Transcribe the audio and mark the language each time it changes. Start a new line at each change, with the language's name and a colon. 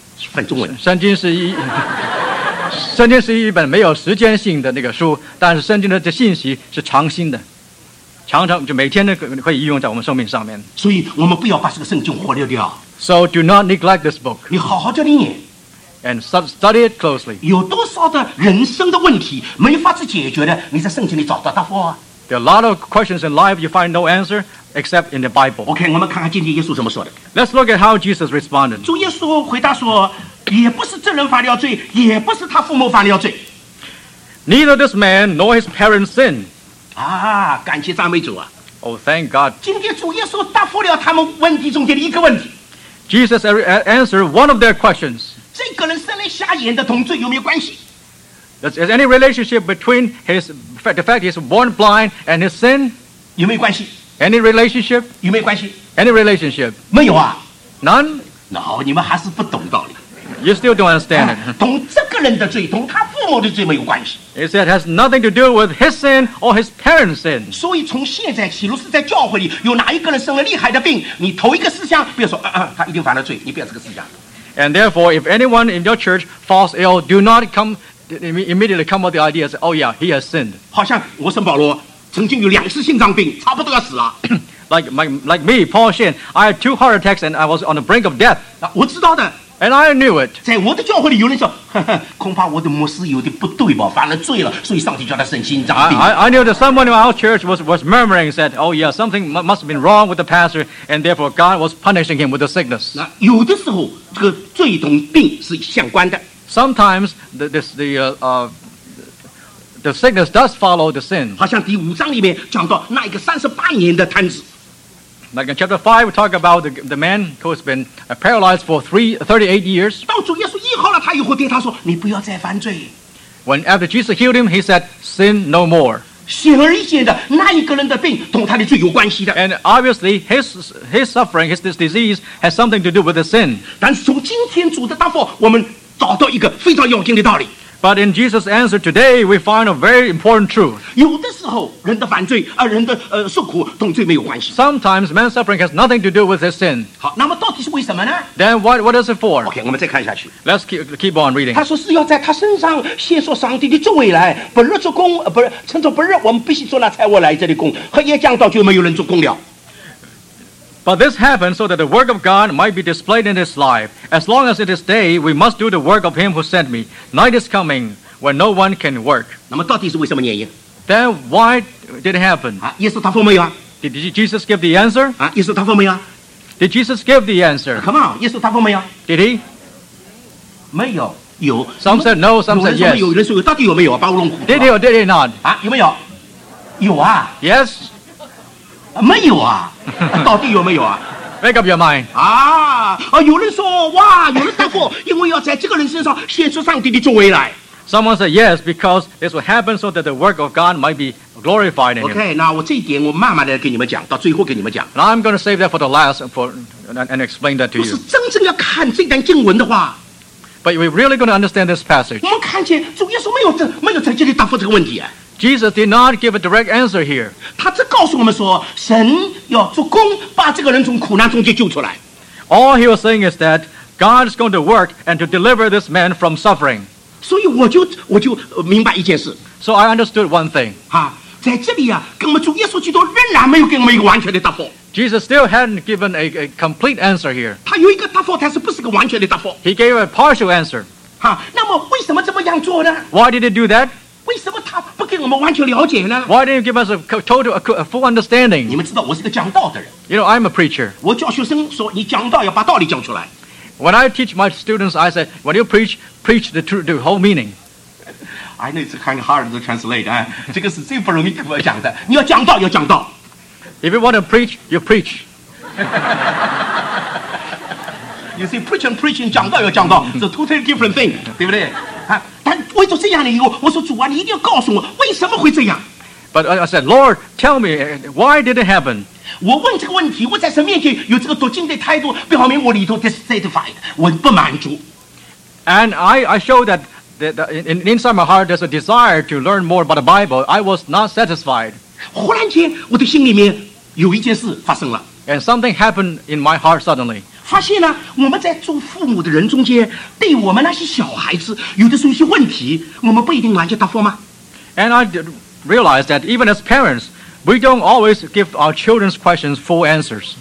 Chinese: 翻中文。圣经是一。圣经是一本没有时间性的那个书，但是圣经的这信息是长新的，常常就每天的会应用在我们生命上面。所以我们不要把这个圣经忽略掉。
English: So do not neglect this book.
Chinese: 你好好的念。
English: And study it closely.
Chinese: 有多少的人生的问题没法子解决的，你在圣经里找到答复啊。
English: There are a lot of questions in life you find no answer except in the Bible.
Chinese: OK, 我们看看今天耶稣怎么说的。
English: Let's look at how Jesus responded.
Chinese: 主耶稣回答说。也不是这人犯了罪，也不是他父母犯了罪。
English: Neither this man nor his parents sin.
Chinese: 啊，感谢赞美主啊
English: ！Oh, thank God.
Chinese: 今天主耶稣答复了他们问题中间的一个问题。
English: Jesus answered one of their questions.
Chinese: 这个人生来瞎眼的同罪有没有关系
English: ？Is any relationship between the fact he's born blind and his sin?
Chinese: 有没有关系
English: ？Any relationship?
Chinese: 有没有关系
English: ？Any relationship?
Chinese: 没有啊
English: ？None.
Chinese: 那好，你们还是不懂道理。
English: You still don't understand it.
Chinese: 同这个人的罪，同他父母的罪没有关系。
English: He said it has nothing to do with his sin or his parents' sin.
Chinese: 所以从现在起，若是在教会里有哪一个人生了厉害的病，你头一个思想，不要说他一定犯了罪，你不要这个思想。
English: And therefore, if anyone in your church falls ill, do not come immediately come with the idea that oh yeah, he has sinned.
Chinese: 好像我圣保罗曾经有两次心脏病，差不多要死了。
English: like me, Paul Shin, I had two heart attacks and I was on the brink of death.
Chinese: 我知道的。
English: And I knew it.
Chinese: 在我的教会里有人说，恐怕我的牧师有的不对吧，犯了罪了，所以上帝叫他生心脏病。
English: I knew that someone in our church was murmuring, said, oh yeah, something must have been wrong with the pastor, and therefore God was punishing him with a sickness.
Chinese: 那有的时候，这个罪同病是相关的。
English: Sometimes the sickness does follow the sin.
Chinese: 好像第五章里面讲到那一个三十八年的瘫子。
English: Like in chapter 5, we talk about the man who has been paralyzed for 38 years.
Chinese: 到主耶稣医好了他以后，对他说：“你不要再犯罪。”
English: When after Jesus healed him, he said, "Sin no more."
Chinese: 显而易见的，那一个人的病同他的罪有关系的。
English: And obviously, his suffering, his disease has something to do with the sin.
Chinese: 但从今天主的答复，我们找到一个非常要紧的道理。
English: But in Jesus' answer today, we find a very important truth.
Chinese: 有的时候，人的犯罪啊，人的受苦，同罪没有关系。
English: Sometimes man's suffering has nothing to do with his sin.
Chinese: 好，那么到底是为什么呢
English: ？Then what is it for?
Chinese: OK, 我们再看下去。
English: Let's keep on reading.
Chinese: 他说是要在他身上显出上帝的作为来，本日做工，不是称作本日，我们必须做那差我来这里工，和耶讲道就没有人做工了。
English: But this happened so that the work of God might be displayed in his life. As long as it is day, we must do the work of him who sent me. Night is coming when no one can work.
Chinese: 那么到底是为什么原因？
English: Then why did it happen?
Chinese: 啊，耶稣答复没有啊？
English: Did Jesus give the answer?
Chinese: 啊，耶稣答复没有啊？
English: Did Jesus give the answer? Come on,
Chinese: 耶稣答复没有？
English: Did he?
Chinese: 没有。有。
English: Some said no, some said yes.
Chinese: 有人说有，到底有没有啊？巴布隆湖。
English: Did you? Did you not?
Chinese: 啊，有没有？有啊。
English: Yes.
Chinese: 没有啊？到底有没有啊？
English: Make up your mind.
Chinese: 有人说哇，有人答过，因为要在这个人身上显出上帝的作为来。
English: Someone said yes, because this will happen so that the work of God might be glorified in him. Okay, now
Chinese: 我这一点我慢慢的给你们讲，到最后给你们讲。
English: Now I'm going to save that for the last and explain that to you.
Chinese: 若是真正要看这段经文的话。
English: But we're really going to understand this passage.
Chinese: 我们看见主耶稣没有直接的答复这个问题啊。
English: Jesus did not give a direct answer here.
Chinese: 他只告诉我们说，神要做工，把这个人从苦难中间救出来。
English: All he was saying is that God is going to work and to deliver this man from suffering.
Chinese: 所以我就明白一件事。
English: So I understood one thing.
Chinese: 啊，在这里啊，跟我们主耶稣基督仍然没有给我们一个完全的答复。
English: Jesus still hadn't given a complete answer here.
Chinese: 他有一个答复，但是不是个完全的答复。
English: He gave a partial answer.
Chinese: 啊，那么为什么这么样做呢？
English: Why did he do that?
Chinese: 为什么他不给我们完全了解呢？
English: Why didn't you give us a full understanding?
Chinese: 你们知道我是个讲道的人。
English: You know, I'm a preacher.
Chinese: 我教学生说，你讲道要把道理讲出来。
English: When I teach my students, I say, when you preach, preach the whole meaning. I know it's kind of hard to translate.
Chinese: 这个是最不容易给我讲的。你要讲道，要讲道。
English: If you want to preach, you preach. You see, preach and preaching,
Chinese: 讲道要讲道，
English: it's a totally different thing,
Chinese: 对不对？但为着这样的以后，我说主啊，你一定要告诉我为什么会这样。
English: But I said, Lord, tell me why did it happen?
Chinese: 我问这个问题，我在神面前有这个读经的态度，表明我里头
English: dissatisfied，
Chinese: 我不满足。
English: And I showed that inside my heart there's a desire to learn more about the Bible. I was not satisfied.
Chinese: 忽然间，我的心里面有一件事发生了。
English: And something happened in my heart suddenly.
Chinese: 发现呢，我们在做父母的人中间，对我们那些小孩子，有的时候一些问题，我们不一定完全答复吗
English: ？And I realized that even as parents, we don't always give our children's questions full answers.